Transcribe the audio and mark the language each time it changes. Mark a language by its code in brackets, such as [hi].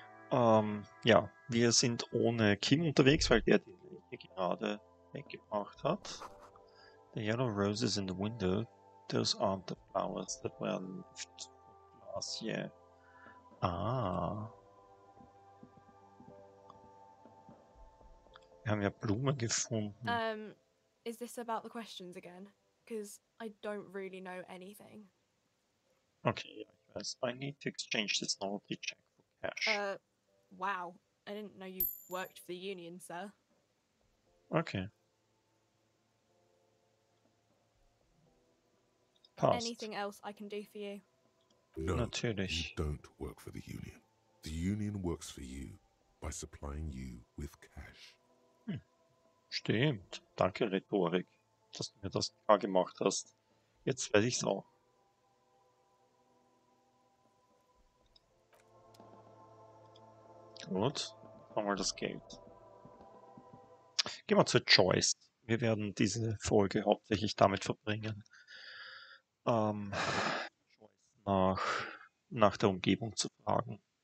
[de] Ja, wir sind ohne Kim unterwegs, weil der die Leiche gerade weggebracht hat. [en] The yellow roses in the window, those aren't the flowers that were left last year. Ah. [de] Wir haben ja Blumen gefunden. [en] Is this about the questions again? Because I don't really know anything. [de] Okay, ja, ich weiß. [en] I need to exchange this novelty check for cash. Wow, I didn't know you worked for the union, sir. Okay. [de] Passt. [en] Anything else I can do for you? No, you [de] Natürlich. [en] don't work for the union. The union works for you by supplying you with cash. [de] Stimmt. Danke, Rhetorik, dass du mir das klar gemacht hast. Jetzt weiß ich's auch. Gut, machen wir das Geld. Gehen wir zur Joyce. Wir werden diese Folge hauptsächlich damit verbringen, nach der Umgebung zu fragen.